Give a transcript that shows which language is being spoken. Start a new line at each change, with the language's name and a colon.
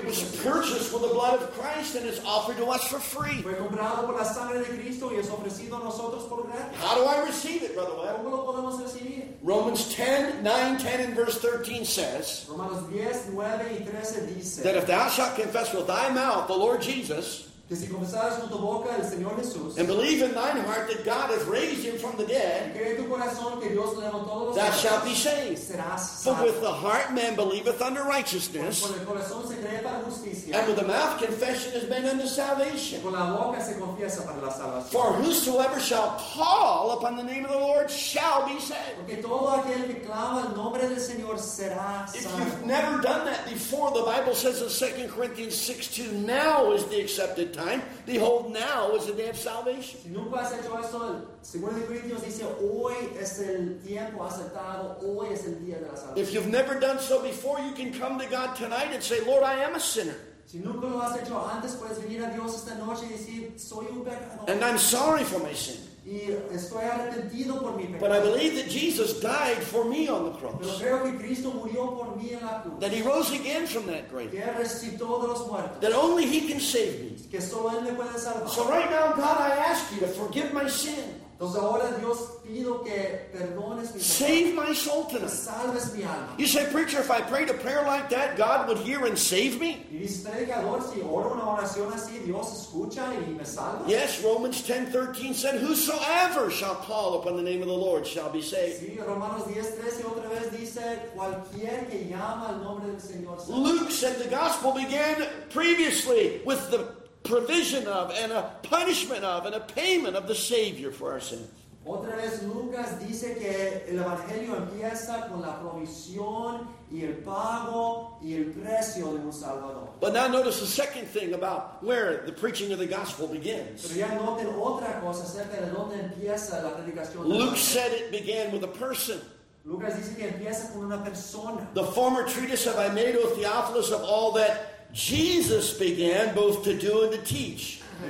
English: Cristo. It was purchased with the blood of Christ and is offered to us for free.
Spanish: Fue comprado por la sangre de Cristo y es ofrecido a nosotros por gratis.
English: How do I receive it, Brother Webb?
Spanish: ¿Cómo lo podemos recibir?
English: Romans 10, 9, 10, and verse 13 says,
Spanish: Romanos 10, 9 y 13 dice,
English: that if thou shalt confess with thy mouth the Lord Jesus,
Spanish: que si confesares con tu boca el Señor Jesús,
English: and believe in thine heart that God has raised him from the dead,
Spanish: y cree en tu corazón que Dios lo levantó de los muertos,
English: thou shalt be saved.
Spanish: Serás salvo.
English: For with the heart man believeth unto righteousness,
Spanish: con el corazón se cree para justicia,
English: and with the mouth confession is made unto salvation.
Spanish: Y con la boca se confiesa para la salvación.
English: For whosoever shall call upon the name of the Lord shall be saved.
Spanish: Porque todo aquel que clama el nombre del Señor será salvo.
English: If you've never done that before, the Bible says in 2 Corinthians 6, 2, now is the accepted time. Behold, now is the day of salvation.
Spanish: Si nunca has hecho esto, Segunda de Corintios dice, hoy es el tiempo aceptado, hoy es el día de la salvación.
English: If you've never done so before, you can come to God tonight and say, Lord, I am a sinner.
Spanish: Si nunca lo has hecho antes, puedes venir a Dios esta noche y decir, soy un pecador.
English: And I'm sorry for my sin.
Spanish: Y estoy arrepentido por mi pecado.
English: But I believe that Jesus died for me on the cross.
Spanish: Pero creo que Cristo murió por mí en la cruz.
English: That he rose again from that grave.
Spanish: Que resucitó de los muertos.
English: That only he can save me.
Spanish: Que solo él me puede salvar.
English: So right now, God, I ask you to forgive my sin.
Spanish: Entonces ahora Dios pido que perdones mi pecado.
English: Save my soul tonight.
Spanish: Salves mi alma.
English: You say, preacher, if I prayed a prayer like that, God would hear and save me?
Spanish: Y dice, predicador, si oro una oración así, Dios escucha y me salva.
English: Yes, Romans 10:13 said, whosoever shall call upon the name of the Lord shall be saved.
Spanish: Sí, Romanos 10:13 otra vez dice, cualquier que llama al nombre del Señor.
English: Luke said the gospel began previously with the provision of and a punishment of and a payment of the Savior for our sins.
Spanish: Otra vez Lucas dice que el evangelio empieza con la provisión y el pago y el precio de un salvador.
English: But now notice the second thing about where the preaching of the gospel begins.
Spanish: Pero ya noten otra cosa acerca de dónde empieza la predicación.
English: Luke said it began with a person.
Spanish: Lucas dice que empieza con una persona.
English: The former treatise have I made, O Theophilus, of all that Jesus began both to do and to teach.